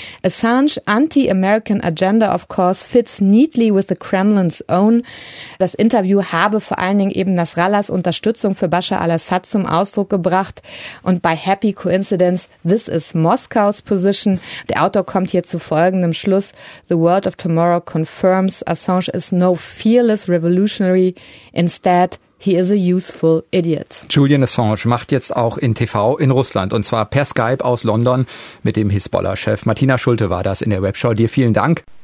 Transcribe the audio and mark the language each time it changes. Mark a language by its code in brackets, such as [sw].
[en] Assange anti-American agenda, of course, fits neatly with the Kremlin's own. [de] Das Interview habe vor allen Dingen eben Nasrallahs Unterstützung für Bashar al-Assad zum Ausdruck gebracht. [en] Und by happy coincidence, this is Moscow's position. [de] Der Autor kommt hier zu folgendem Schluss. [en] The world of tomorrow confirms Assange is no fearless revolutionary. Instead, he is a useful idiot. [de] Julian Assange macht jetzt auch in TV in Russland und zwar per Skype aus London mit dem Hezbollah-Chef. Martina Schulte war das in der Webshow. Dir vielen Dank.